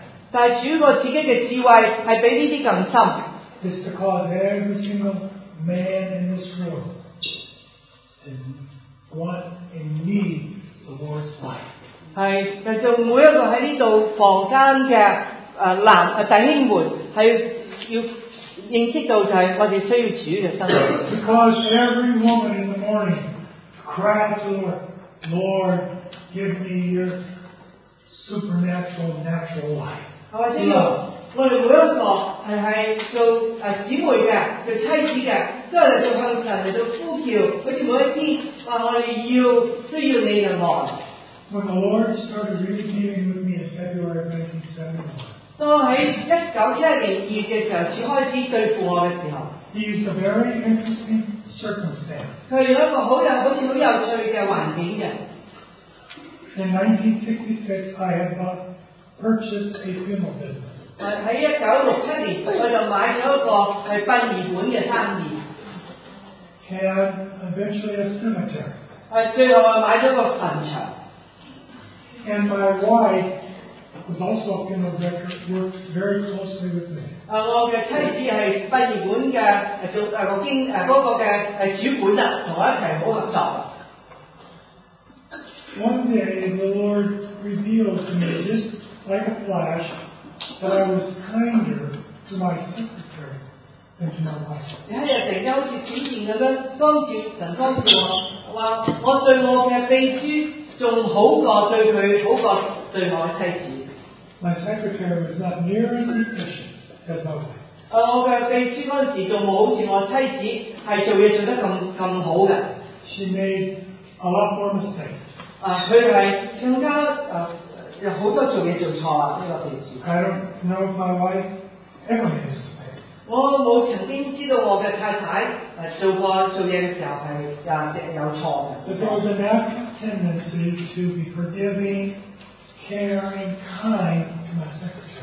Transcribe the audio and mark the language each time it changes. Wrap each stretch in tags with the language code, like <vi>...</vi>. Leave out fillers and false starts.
<yue>但系主个自己嘅智慧系比呢啲更深。</yue> <en>It's to cause every single man in this room to want and need the Lord's life.</en> <yue>系，就是、每一个喺呢度房间嘅男弟兄们，系要认识到就系我哋需要主嘅生命。</yue> <en>Because every woman in the morning cries to the Lord, Lord, give me your supernatural natural life.</en> <yue>我知道，我哋每一个系做姊妹嘅，做妻子嘅，都系做向神嚟做呼叫，好似每一天话我哋要需要你嘅爱。</yue> <en>When the Lord started really dealing with me in February of 1971,</en> <yue>当喺1971年2月嘅时候，主开始对付我嘅时候</yue> <en>，He used a very interesting circumstance.</en> <yue>佢用一个好有趣嘅环境嘅。</yue> <en>In 1966, I had bought purchased a funeral business.</en> <yue>喺1967年，我就买咗一个系殡仪馆嘅生意。</yue> <en>Had eventually a cemetery.</en> <yue>最后我买咗个坟场。</yue> <en>And my wife was also a funeral director, worked very closely with me.</en> <yue>我嘅妻子系殡仪馆嘅做个经嗰个嘅主管啊，同我一齐好合作。</yue> <en>One day the Lord revealed to me, just like a flash, that I was kinder to my secretary than to my wife.</en> <yue>有一日突然间好似闪电咁样，神光照我，话我对我嘅秘书。仲好过对佢，好过对我妻子。</yue> <en>My secretary was not near as efficient as my wife.</en> <yue>我嘅秘書嗰陣時仲冇好似我妻子係做嘢做得咁好嘅。</yue> <en>She made a lot more mistakes。</en> <yue>啊，佢係更加有好多做嘢做錯啊！呢個秘書。</yue> <en>I don't know if my wife ever made a mistake。</en> <yue>我冇曾經知道我嘅太太做過做嘢嘅時候係有錯嘅。</yue> <en>But there was a natural tendency to be forgiving, caring, kind to my secretary。</en>